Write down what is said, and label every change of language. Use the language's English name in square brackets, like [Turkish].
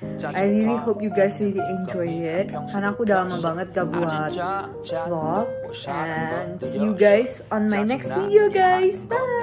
[English] I really hope you guys really enjoy it. [Indonesian] Karena aku udah lama banget gak buat vlog. [English] And see you guys on my next video guys. Bye.